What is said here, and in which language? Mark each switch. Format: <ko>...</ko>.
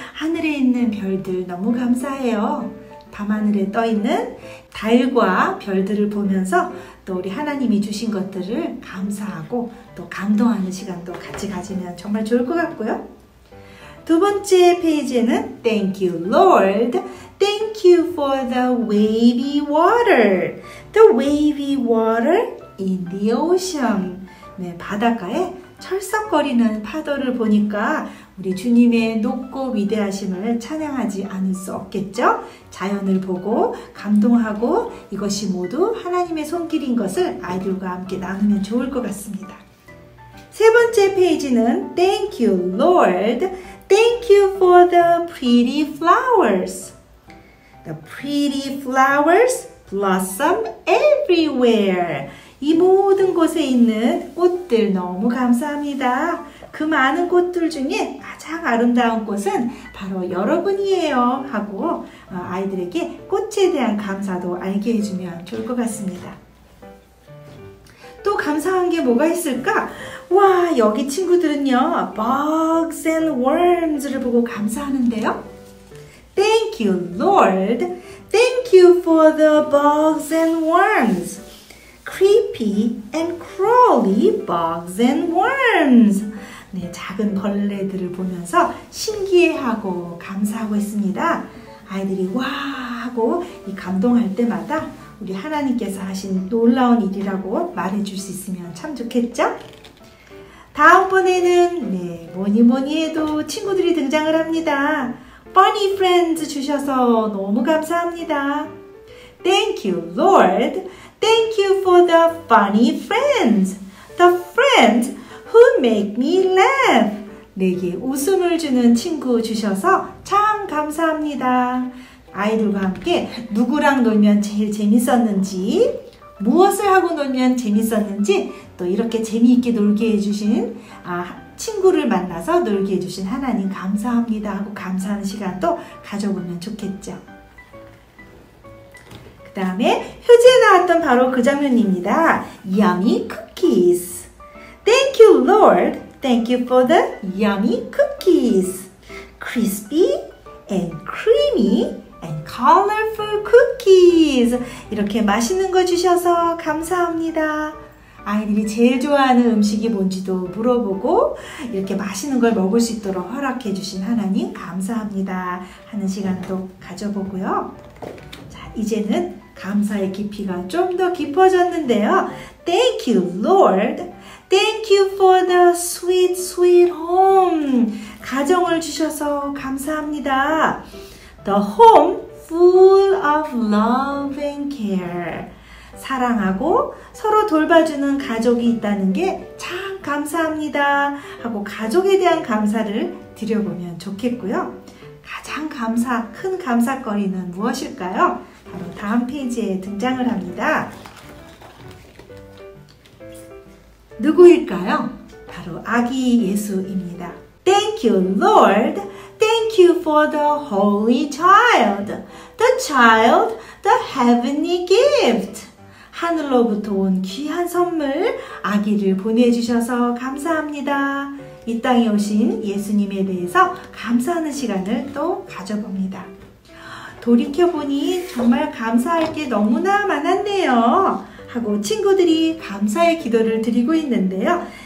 <ko>하늘에 있는 별들 너무 감사해요. 밤하늘에 떠 있는 달과 별들을 보면서 또 우리 하나님이 주신 것들을 감사하고 또 감동하는 시간도 같이 가지면 정말 좋을 것 같고요. 두 번째 페이지에는</ko> <en>Thank you, Lord. Thank you for the wavy water. The wavy water in the ocean.</en> <ko>네, 바닷가에 철썩거리는 파도를 보니까 우리 주님의 높고 위대하심을 찬양하지 않을 수 없겠죠? 자연을 보고 감동하고 이것이 모두 하나님의 손길인 것을 아이들과 함께 나누면 좋을 것 같습니다. 세 번째 페이지는</ko> <en>Thank you, Lord. Thank you for the pretty flowers. The pretty flowers blossom everywhere.</en> <ko>이 모든 곳에 있는 꽃들 너무 감사합니다. 그 많은 꽃들 중에 가장 아름다운 꽃은 바로 여러분이에요 하고 아이들에게 꽃에 대한 감사도 알게 해주면 좋을 것 같습니다. 또 감사한 게 뭐가 있을까? 와, 여기 친구들은요</ko> <en>Bugs and Worms</en> <ko>를 보고 감사하는데요.</ko> <en>Thank you, Lord. Thank you for the bugs and worms. Creepy and crawly bugs and worms.</en> <ko>네, 작은 벌레들을 보면서 신기해하고 감사하고 있습니다. 아이들이 와 하고 이 감동할 때마다 우리 하나님께서 하신 놀라운 일이라고 말해줄 수 있으면 참 좋겠죠? 다음번에는 네, 뭐니 뭐니 해도 친구들이 등장을 합니다.</ko> <en>Funny friends</en> <ko>주셔서 너무 감사합니다.</ko> <en>Thank you, Lord. Thank you for the funny friends. The friends who make me laugh.</en> <ko>내게 웃음을 주는 친구 주셔서 참 감사합니다. 아이들과 함께 누구랑 놀면 제일 재밌었는지, 무엇을 하고 놀면 재밌었는지, 또 이렇게 재미있게 놀게 해주신 친구를 만나서 놀게 해주신 하나님 감사합니다 하고 감사하는 시간도 가져보면 좋겠죠. 그 다음에 휴지에 나왔던 바로 그 장면입니다.</ko> <en>Yummy cookies. Thank you, Lord. Thank you for the yummy cookies. Crispy and creamy and colorful cookies.</en> <ko>이렇게 맛있는 거 주셔서 감사합니다. 아이들이 제일 좋아하는 음식이 뭔지도 물어보고 이렇게 맛있는 걸 먹을 수 있도록 허락해 주신 하나님 감사합니다 하는 시간도 가져보고요. 자, 이제는 감사의 깊이가 좀 더 깊어졌는데요.</ko> <en>Thank you, Lord. Thank you for the sweet, sweet home.</en> <ko>가정을 주셔서 감사합니다.</ko> <en>The home full of love and care.</en> <ko>사랑하고 서로 돌봐주는 가족이 있다는 게 참 감사합니다 하고 가족에 대한 감사를 드려보면 좋겠고요. 가장 감사, 큰 감사거리는 무엇일까요? 바로 다음 페이지에 등장을 합니다. 누구일까요? 바로 아기 예수입니다.</ko> <en>Thank you, Lord. Thank you for the holy child. The child, the heavenly gift.</en> <ko>하늘로부터 온 귀한 선물 아기를 보내주셔서 감사합니다. 이 땅에 오신 예수님에 대해서 감사하는 시간을 또 가져봅니다. 돌이켜보니 정말 감사할 게 너무나 많았네요 하고 친구들이 감사의 기도를 드리고 있는데요.</ko>